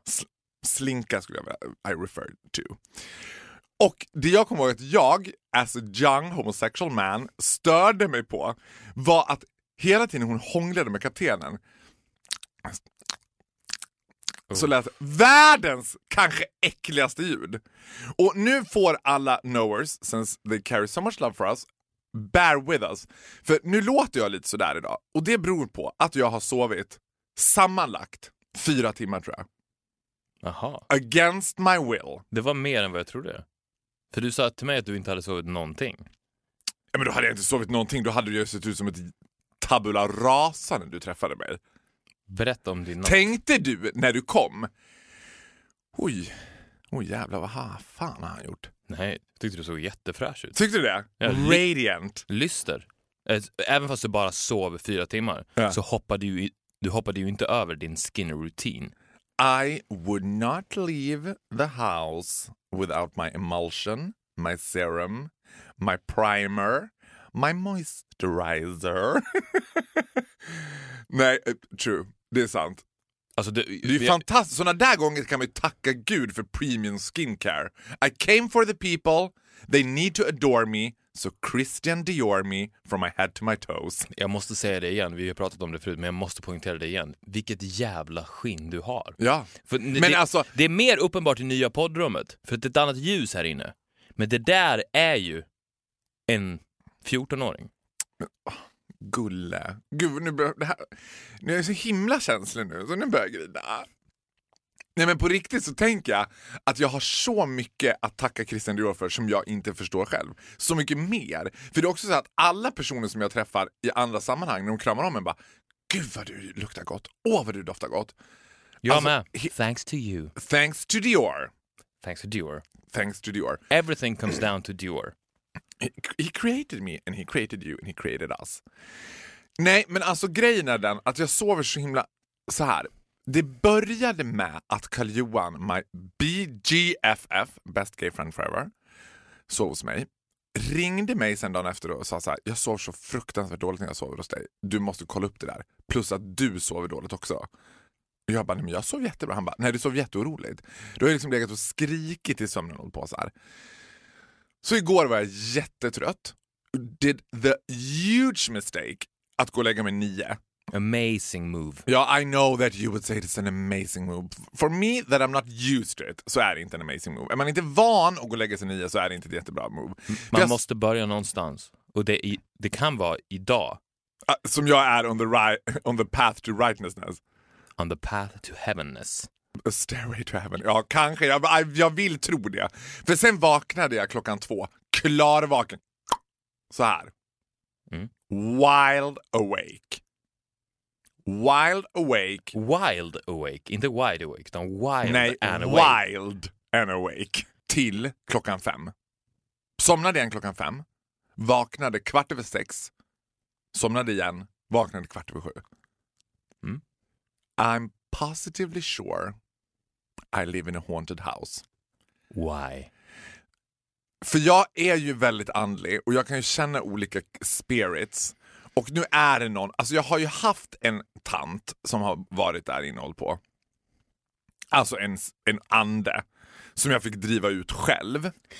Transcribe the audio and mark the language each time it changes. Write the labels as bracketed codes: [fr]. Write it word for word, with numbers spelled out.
[sv] S- slinka skulle jag vilja, [en] I refer to. [sv] Och det jag kommer ihåg att jag, [en] as a young homosexual man, [sv] störde mig på var att hela tiden hon hånglade med kaptenen. Så lät världens kanske äckligaste ljud. Och nu får alla [en] knowers, since they carry so much love for us, bear with us. [sv] För nu låter jag lite sådär idag. Och det beror på att jag har sovit sammanlagt fyra timmar, tror jag. Aha. [en] Against my will. [sv] Det var mer än vad jag trodde. För du sa till mig att du inte hade sovit någonting. Ja, men då hade jag inte sovit någonting. Då hade jag sett ut som ett tabula rasa när du träffade mig. Berätta om din natt. Tänkte du när du kom? Oj. Oj, jävlar, vad ha, fan har han gjort? Nej, tyckte du såg jättefräsch ut. Tyckte du det? Ja, [en] radiant. [sv] Lyster. Även fast du bara sov fyra timmar, ja, så hoppade du, du hoppade ju inte över din skin routine. [en] I would not leave the house without my emulsion, my serum, my primer, my moisturizer. [sv] Nej, true. Det är sant. Alltså det, det är vi, fantastiskt. Såna där gånger kan man ju tacka Gud för premium skincare. [en] I came for the people. They need to adore me. So Christian Dior me from my head to my toes. [sv] Jag måste säga det igen. Vi har pratat om det förut, men jag måste poängtera det igen. Vilket jävla skinn du har. Ja. För men det, alltså... det är mer uppenbart i nya poddrummet. För att det är ett annat ljus här inne. Men det där är ju en fjortonåring. Men, oh. Gulle. Gud, nu bör, det här, nu är jag så himla känslig nu, så nu börjar jag grina. Nej, men på riktigt så tänker jag att jag har så mycket att tacka Christian Dior för som jag inte förstår själv. Så mycket mer. För det är också så att alla personer som jag träffar i andra sammanhang, när de kramar om en, bara, Gud vad du luktar gott. Åh vad du doftar gott. Jag alltså, med. [en] He, thanks to you. Thanks to Dior. Thanks to Dior. Thanks to Dior. Everything comes down to Dior. He, he created me and he created you and he created us. [sv] Nej, men alltså grejen är den att jag sover så himla så här. Det började med att Karl Johan, [en] my B G F F, best gay friend forever, [sv] sov hos mig. Ringde mig sen dagen efter och sa så här: jag sover så fruktansvärt dåligt när jag sover hos dig. Du måste kolla upp det där. Plus att du sover dåligt också. Jag bara, nej men jag sov jättebra. Han bara, nej du sov jätteoroligt. Då har jag liksom legat och skrikit i sömnen och på så här. Så igår var jag jättetrött. [en] Did the huge mistake [sv] att gå och lägga mig nio. [en] Amazing move. Ja, yeah, I know that you would say it's an amazing move. For me, that I'm not used to it, [sv] så är det inte en amazing move. Är man inte van att gå och lägga sig nio så är det inte ett jättebra move. Man jag... måste börja någonstans. Och det, i, det kan vara idag. [en] Uh, [sv] som jag är [en] on the, ri- on the path to rightnessness. On the path to heavenness. A stairway to heaven. [sv] Ja, kanske. Jag, jag vill tro det. För sen vaknade jag klockan två. Klarvaken. Så här. Mm. [en] Wild Awake. Wild Awake. Wild Awake. [sv] Inte [en] Wide Awake, utan Wild [sv] Nej, [en] and Awake. Wild and Awake. [sv] Till klockan fem. Somnade igen klockan fem. Vaknade kvart över sex. Somnade igen. Vaknade kvart över sju. Mm. [en] I'm positively sure I live in a haunted house. Why? [sv] För jag är ju väldigt andlig och jag kan ju känna olika spirits. Och nu är det någon... Alltså jag har ju haft en tant som har varit där inne och hållit på. Alltså en, en ande som jag fick driva ut själv.